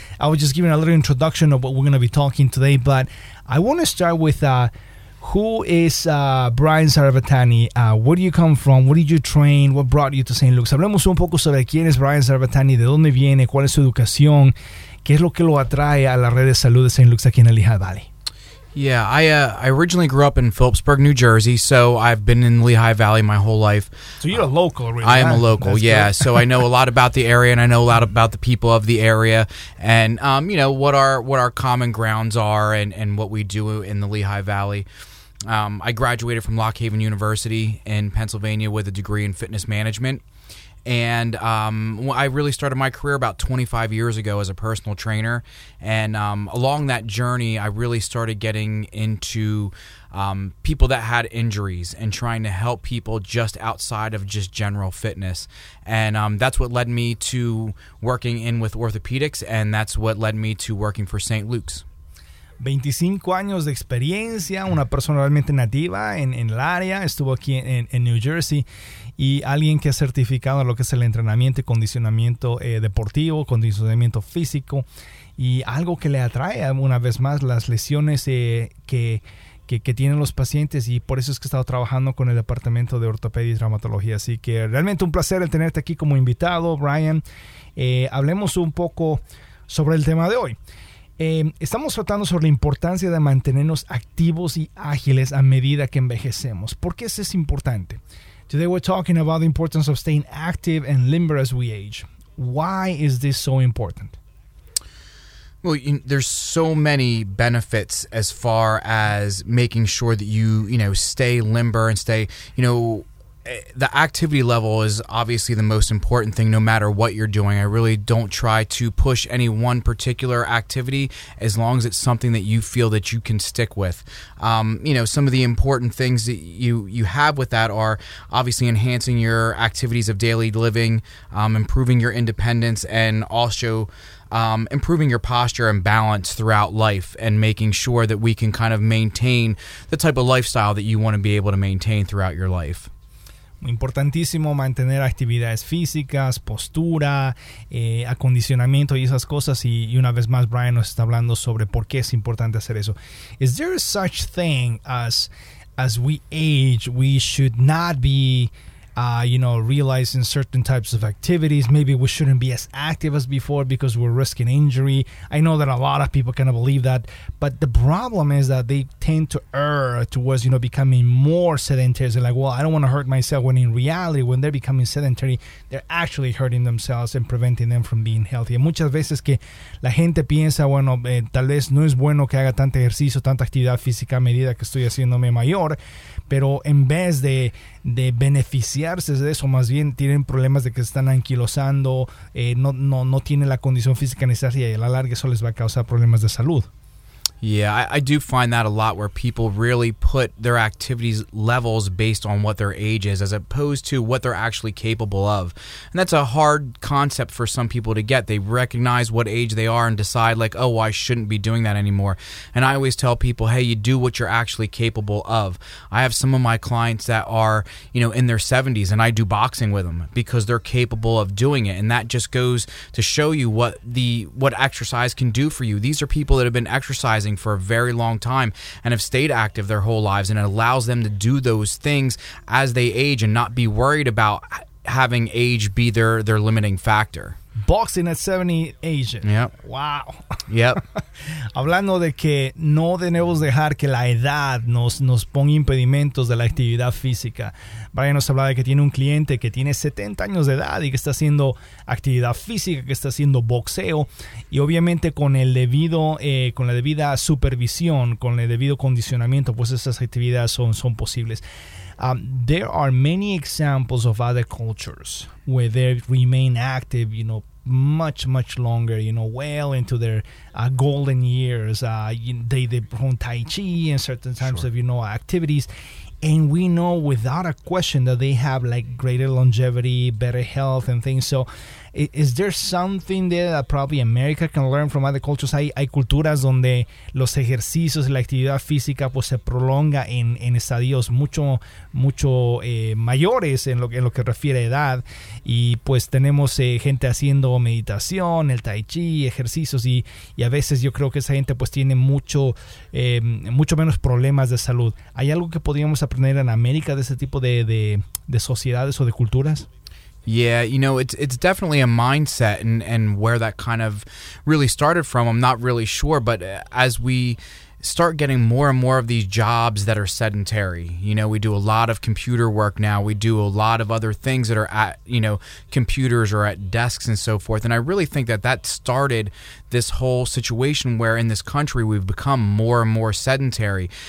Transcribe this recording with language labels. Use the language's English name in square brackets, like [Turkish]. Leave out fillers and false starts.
[English] I was just giving a little introduction of what we're going to be talking today, but I want to start with who is Brian Sarvatani? Where do you come from? Where did you train? What brought you to St. Luke's? [Spanish] Hablemos un poco sobre quién es Brian Sarvatani, de dónde viene, cuál es su educación, qué es lo que lo atrae a la red de salud de St. Luke's aquí en el Lehigh Valley. [English] Yeah, I originally grew up in Phillipsburg, New Jersey, so I've been in Lehigh Valley my whole life. So you're a local, really? I am a local, yeah. So I know a lot about the area, and I know a lot about the people of the area, and you know what our common grounds are, and what we do in the Lehigh Valley. I graduated from Lock Haven University in Pennsylvania with a degree in fitness management, and I really started my career about 25 years ago as a personal trainer. And along that journey, I really started getting into people that had injuries and trying to help people just outside of just general fitness. And that's what led me to working in with orthopedics, and that's what led me to working for St. Luke's. [Spanish] 25 años de experiencia, una persona realmente nativa en el área, estuvo aquí en New Jersey, y alguien que ha certificado lo que es el entrenamiento y condicionamiento deportivo, condicionamiento físico, y algo que le atrae una vez más las lesiones que tienen los pacientes, y por eso es que he estado trabajando con el Departamento de Ortopedia y Traumatología. Así que realmente un placer el tenerte aquí como invitado, Brian. Hablemos un poco sobre el tema de hoy. Estamos tratando sobre la importancia de mantenernos activos y ágiles a medida que envejecemos. ¿Por qué eso es importante? [English] Today we're talking about the importance of staying active and limber as we age. Why is this so important? Well, there's so many benefits as far as making sure that you, you know, stay limber and stay, you know, the activity level is obviously the most important thing no matter what you're doing. I really don't try to push any one particular activity as long as it's something that you feel that you can stick with. You know, some of the important things that you have with that are obviously enhancing your activities of daily living, improving your independence, and also improving your posture and balance throughout life, and making sure that we can kind of maintain the type of lifestyle that you want to be able to maintain throughout your life. [Spanish] Importantísimo mantener actividades físicas, postura, acondicionamiento y esas cosas. Y una vez más, Brian nos está hablando sobre por qué es importante hacer eso. [English] Is there such thing as we age, we should not be, you know, realizing certain types of activities? Maybe we shouldn't be as active as before because we're risking injury. I know that a lot of people kind of believe that. But the problem is that they tend to err towards, you know, becoming more sedentary. They're like, well, I don't want to hurt myself. When in reality, when they're becoming sedentary, they're actually hurting themselves and preventing them from being healthy. [Spanish] Muchas veces que la gente piensa, bueno, tal vez no es bueno que haga tanto ejercicio, tanta actividad física a medida que estoy haciéndome mayor. Pero en vez de beneficiarse de eso, más bien tienen problemas de que se están anquilosando, no tienen la condición física necesaria, y a la larga eso les va a causar problemas de salud. [English] Yeah, I do find that a lot, where people really put their activities levels based on what their age is as opposed to what they're actually capable of. And that's a hard concept for some people to get. They recognize what age they are and decide like, oh, well, I shouldn't be doing that anymore. And I always tell people, hey, you do what you're actually capable of. I have some of my clients that are, you know, in their 70s, and I do boxing with them because they're capable of doing it. And that just goes to show you what exercise can do for you. These are people that have been exercising for a very long time and have stayed active their whole lives, and it allows them to do those things as they age and not be worried about having age be their limiting factor. Boxing at 70 Asian. Yep. Wow. Yep. [Spanish] Hablando de que no debemos dejar que la edad nos ponga impedimentos de la actividad física. Brian nos hablaba de que tiene un cliente que tiene 70 años de edad y que está haciendo actividad física, que está haciendo boxeo. Y obviamente con la debida supervisión, con el debido condicionamiento, pues esas actividades son posibles. [English] There are many examples of other cultures where they remain active, you know, much, much longer, you know, well into their golden years. They perform Tai Chi and certain types of, you know, activities. And we know without a question that they have like greater longevity, better health and things. So is there something there that probably America can learn from other cultures? [Spanish] Hay culturas donde los ejercicios y la actividad física pues se prolonga en estadios mucho, mucho mayores en lo que refiere a edad. Y pues tenemos gente haciendo meditación, el Tai Chi, ejercicios. Y a veces yo creo que esa gente pues tiene mucho menos problemas de salud. ¿Hay algo que podríamos aprender en América de ese tipo de sociedades o de culturas? [English] Yeah, you know, it's definitely a mindset and where that kind of really started from, I'm not really sure, but as we start getting more and more of these jobs that are sedentary, you know, we do a lot of computer work now, we do a lot of other things that are at, you know, computers or at desks and so forth, and I really think that started this whole situation where in this country we've become more and more sedentary.